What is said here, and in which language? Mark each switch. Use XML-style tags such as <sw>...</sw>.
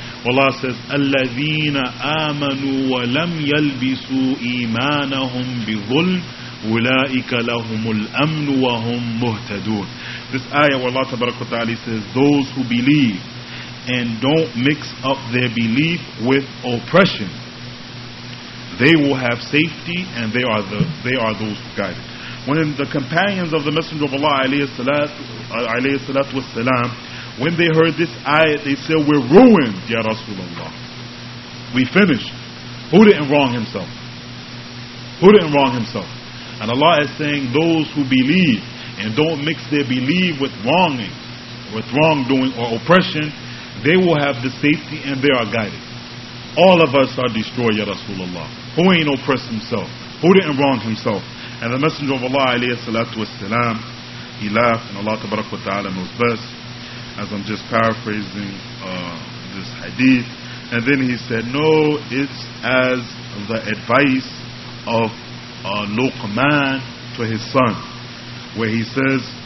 <en>Allah says,</en> <ar>الَّذِينَ آمَنُوا وَلَمْ يَلْبِسُوا إِيمَانَهُمْ بِظُلْمٍ أُولَٰئِكَ لَهُمُ الْأَمْنُ وَهُمْ مُهْتَدُونَ.</ar> <en>This ayah where Allah Tabaraka Ta'ala says, those who believe and don't mix up their belief with oppression, they will have safety, and they are those guided. When the companions of the Messenger of Allah alayhi salatu wasalam, when they heard this ayah, they said, we're ruined, Ya Rasulullah. We finished. Who didn't wrong himself? Who didn't wrong himself? And Allah is saying, those who believe and don't mix their belief with wronging, with wrongdoing or oppression, they will have the safety and they are guided. All of us are destroyed, Ya Rasulullah. Who ain't oppressed himself? Who didn't wrong himself? And the Messenger of Allah, alayhi salatu wasalam, he laughed, and Allah tabaraka wa ta'ala knows best. As I'm just paraphrasing this hadith. And then he said, no, it's as the advice of Luqman to his son, where he says,</en>